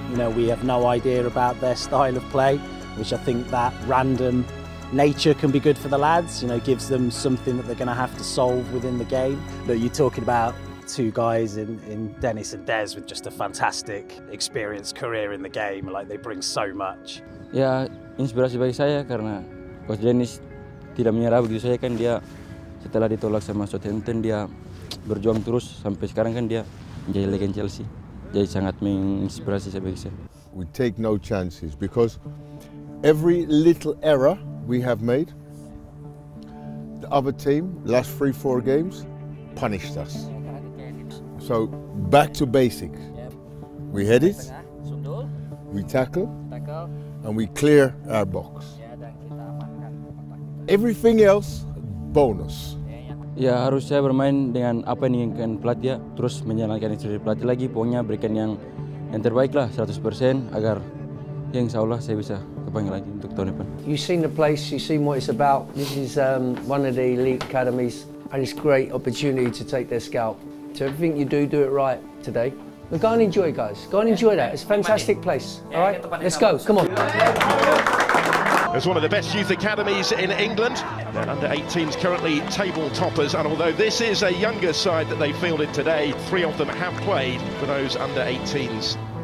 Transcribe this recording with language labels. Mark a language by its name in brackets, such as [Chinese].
[English] You know, we have no idea about their style of play, which I think that random nature can be good for the lads. You know, gives them something that they're going to have to solve within the game. But you're talking about two guys in Dennis and Dez with just a fantastic experience career in the game. Like, they bring so much. [Indonesian] Ya, inspirasi bagi saya karena Coach Dennis tidak menyerah begitu saya kan dia setelah ditolak sama Southampton dia berjuang terus sampai sekarang kan dia menjadi legend Chelsea. [English] We take no chances because every little error we have made, the other team, last three, four games, punished us. So back to basic. We head it, we tackle, and we clear our box. Everything else, bonus. [Indonesian] Ya harus saya bermain dengan apa yang diinginkan pelatih, terus menjalankan instruksi pelatih lagi, pokoknya berikan yang terbaik lah 100% agar yang insya Allah saya bisa kepanggil lagi untuk tahun depan. [English] You've seen the place, you've seen what it's about. This is one of the elite academies and it's a great opportunity to take their scalp. So everything you do, do it right today. But go and enjoy guys, go and enjoy that. It's a fantastic place, all right? Let's go, come on. It's one of the best youth academies in England. They're under 18s currently table toppers, and although this is a younger side that they fielded today, three of them have played for those under 18s.